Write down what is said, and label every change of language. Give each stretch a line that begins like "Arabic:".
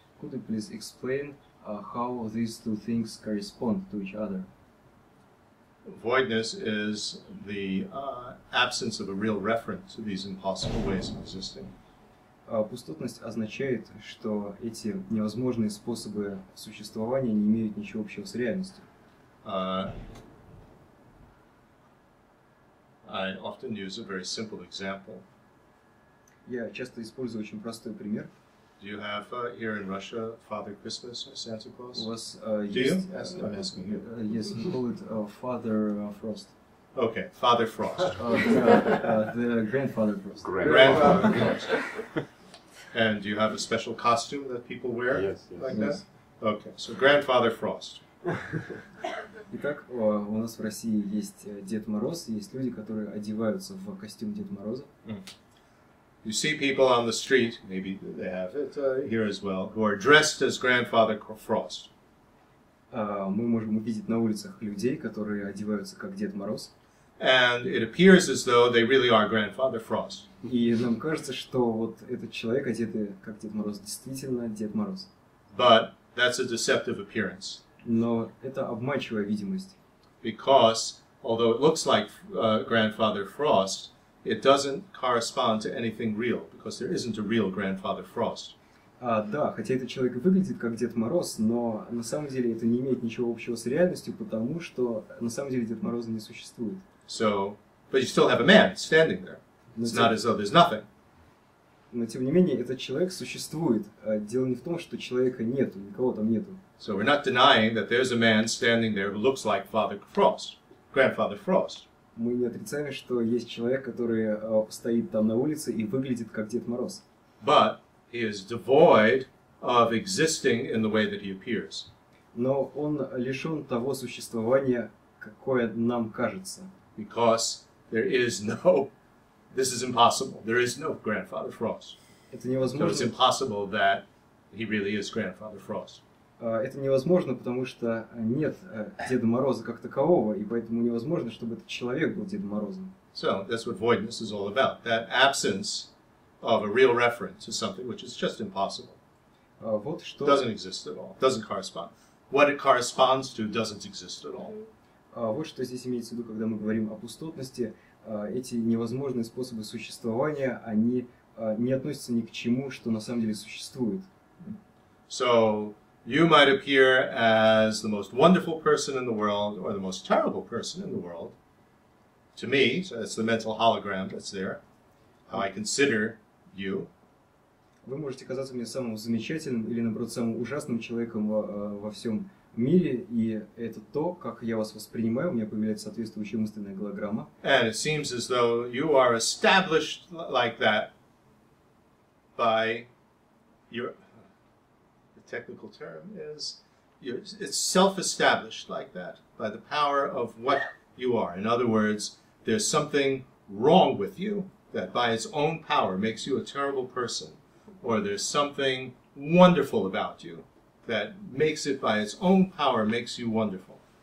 English: Could you please explain how these two things correspond to each other? Voidness is the absence of a real reference to these impossible ways of existing.
Russian: Пустотность означает, что эти невозможные способы существования не имеют ничего общего с реальностью.
English: I often use a very simple example.
Russian: Я часто использую очень простой пример.
English: Do you have here in Russia Father Christmas or Santa Claus?
Russian: У вас есть?
English: I'm asking you. Yes, we call it Father Frost. Okay, Father Frost. The Grandfather Frost. Grandfather Frost. And do you have a special costume that people wear? Yes, yes. Like yes. That? Okay, so Grandfather Frost.
Russian: Итак, у нас в России есть Дед Мороз, и есть люди, которые одеваются в костюм Деда Мороза.
English: You see people on the street, maybe they have it here as well, who are dressed as Grandfather Frost.
Russian: Мы можем увидеть на улицах людей, которые одеваются как Дед Мороз.
English: And it appears as though they really are Grandfather Frost.
Russian: И нам кажется, что вот этот человек, одетый как Дед Мороз, действительно Дед Мороз.
English: But that's a deceptive appearance.
Russian: Но это обманчивая видимость.
English: Because, although it looks like Grandfather Frost, it doesn't correspond to anything real, because there isn't a real Grandfather Frost.
Russian: Да, хотя этот человек выглядит как Дед Мороз, но на самом деле это не имеет ничего общего с реальностью, потому что на самом деле Дед Мороза не существует.
English: So, but you still have a man standing there. It's not as though there's nothing.
Russian: Но тем не менее, этот человек существует. Дело не в том, что человека нету, никого там нету.
English: So we're not denying that there's a man standing there who looks like Father Frost, Grandfather Frost.
Russian: Мы не отрицаем, что есть человек, который стоит там на улице и выглядит как Дед Мороз.
English: But he is devoid of existing in the way that he appears.
Russian: Но он лишен того существования, какое нам кажется.
English: Because there is no... This is impossible. There is no Grandfather Frost.
Russian: Это невозможно.
English: So it's impossible that he really is Grandfather Frost.
Russian: Это невозможно, потому что нет Деда Мороза как такового, и поэтому невозможно, чтобы этот человек был Дедом Морозом.
English: So that's what voidness is all about. That absence of a real reference to something which is just impossible.
Russian: Вот что.
English: Doesn't exist at all. Doesn't correspond. What it corresponds to doesn't exist at all.
Russian: Вот что здесь имеется в виду, когда мы говорим о пустотности. Эти невозможные способы существования, они не относятся ни к чему, что на самом деле существует.
English: So, you might appear as the most wonderful person in the world, or the most terrible person in the world. To me, so that's the mental hologram that's there, how I consider you.
Russian: Вы можете казаться мне самым замечательным или, наоборот, самым ужасным человеком во всем мире, и это то, как я вас воспринимаю, у меня появляется соответствующая мысленная голограмма.
English: And it seems as though you are established like that by your, the technical term is, it's self-established like that by the power of what you are. In other words, there's something wrong with you that by its own power makes you a terrible person, or there's something wonderful about you that makes it by its own power makes you wonderful.